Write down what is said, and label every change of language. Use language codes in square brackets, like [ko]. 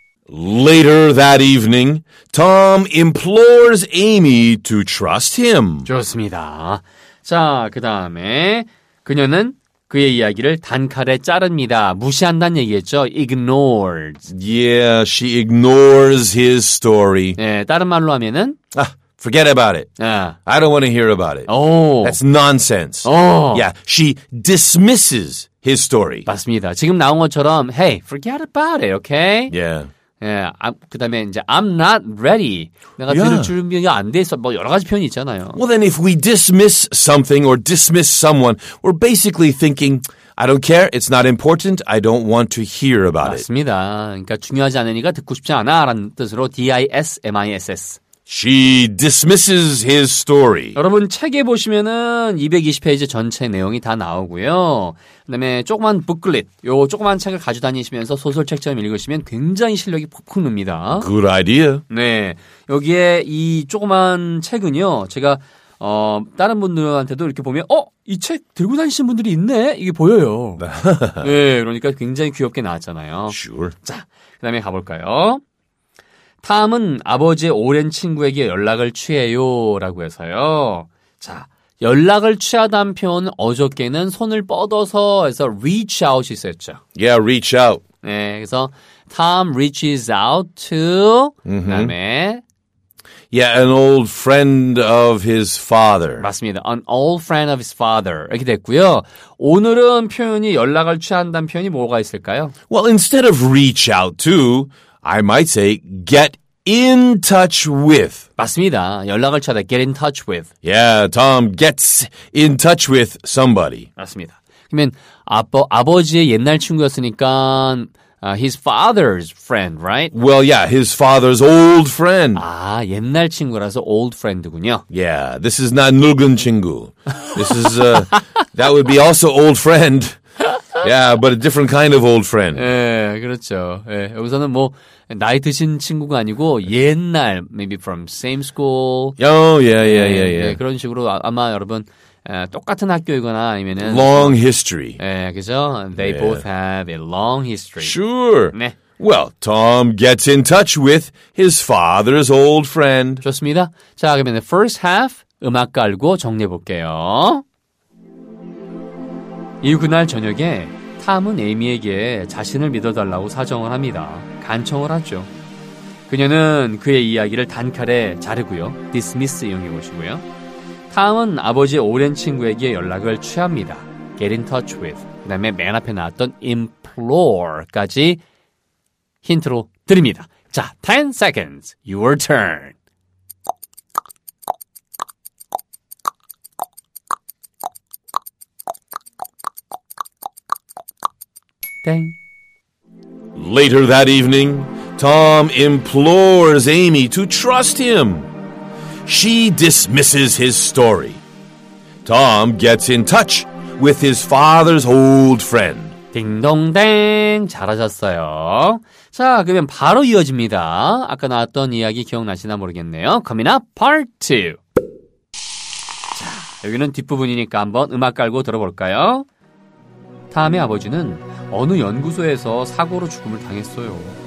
[en] Later that evening, Tom implores Amy to trust him. [ko] 좋습니다. 자, 그 다음에 그녀는 그의 이야기를 단칼에 자릅니다. 무시한다는 얘기했죠. Ignores. [en] Yeah, she ignores his story. 네, 다른 말로 하면은 Forget about it. I don't want to hear about it. Oh. That's nonsense. Oh. Yeah, she dismisses his story. [ko] 맞습니다. 지금 나온 것처럼 [en] Hey, forget about it, okay? Yeah. [ko] 예, 그다음에 이제 [en] I'm not ready. [ko] 내가 yeah. 들을 준비가 안 돼 있어. 뭐 여러 가지 표현이 있잖아요. [en] Well, then if we dismiss something or dismiss someone, we're basically thinking I don't care. It's not important. I don't want to hear about [ko] 맞습니다. [en] it. [ko] 맞습니다. 그러니까 중요하지 않으니까 듣고 싶지 않아라는 뜻으로 dismiss. [en] She dismisses his story. [ko] 여러분 책에 보시면은 220페이지 전체 내용이 다 나오고요. 그다음에 조그만 북클릿, 요 조그만 책을 가져다니시면서 소설책처럼 읽으시면 굉장히 실력이 폭풍 납니다. [en] Good idea. [ko] 네, 여기에 이 조그만 책은요, 제가 다른 분들한테도 이렇게 보면 이 책 들고 다니시는 분들이 있네 이게 보여요. 네, 그러니까 굉장히 귀엽게 나왔잖아요. [en] Sure. [ko] 자, 그다음에 가볼까요? 탐은 아버지의 오랜 친구에게 연락을 취해요 라고 해서요. 자, 연락을 취하다는 표현 어저께는 손을 뻗어서 해서 reach out이 있었죠. [en] Yeah, reach out. [ko] 네, 그래서 [en] Tom reaches out to, mm-hmm. [ko] 그 다음에 [en] Yeah, an old friend of his father. [ko] 맞습니다. [en] An old friend of his father. [ko] 이렇게 됐고요. 오늘은 표현이 연락을 취한다는 표현이 뭐가 있을까요? [en] Well, instead of reach out to, I might say get in touch with. [ko] 맞습니다. 연락을 취하다 get in touch with. [en] Yeah, Tom gets in touch with somebody. [ko] 맞습니다. 그러면 아버지의 옛날 친구였으니까 [en] his father's friend, right? Well, yeah, his father's old friend. [ko] 아, 옛날 친구라서 old friend군요. [en] Yeah, this is not [ko] 늙은 친구. [en] This is that would be also old friend. Yeah, but a different kind of old friend. [ko] 예, 그렇죠. 예, 여기서는 뭐 나이 드신 친구가 아니고 옛날, [en] maybe from same school. Oh, yeah, yeah, yeah, yeah. 예, [ko] 그런 식으로 아마 여러분 똑같은 학교이거나 아니면은 [en] long history. [ko] 예, 그죠? They yeah. [en] both have a long history. Sure. [ko] 네. [en] Well, Tom gets in touch with his father's old friend. [ko] 좋습니다. 자, 그러면 [en] the first half [ko] 음악 깔고 정리해 볼게요. 이후 그날 저녁에 탐은 에이미에게 자신을 믿어달라고 사정을 합니다. 간청을 하죠. 그녀는 그의 이야기를 단칼에 자르고요. dismiss 이용해 보시고요. 탐은 아버지의 오랜 친구에게 연락을 취합니다. [en] get in touch with. [ko] 그 다음에 맨 앞에 나왔던 implore까지 힌트로 드립니다. [en] 자, 10 seconds. Your turn. Later that evening, Tom implores Amy to trust him. She dismisses his story. Tom gets in touch with his father's old friend. [ko] 딩동댕 잘하셨어요. 자, 그러면 바로 이어집니다. 아까 나왔던 이야기 기억나시나 모르겠네요. Coming up part 2. 자, 여기는 뒷부분이니까 한번 음악 깔고 들어볼까요? 탐의 아버지는 어느 연구소에서 사고로 죽음을 당했어요.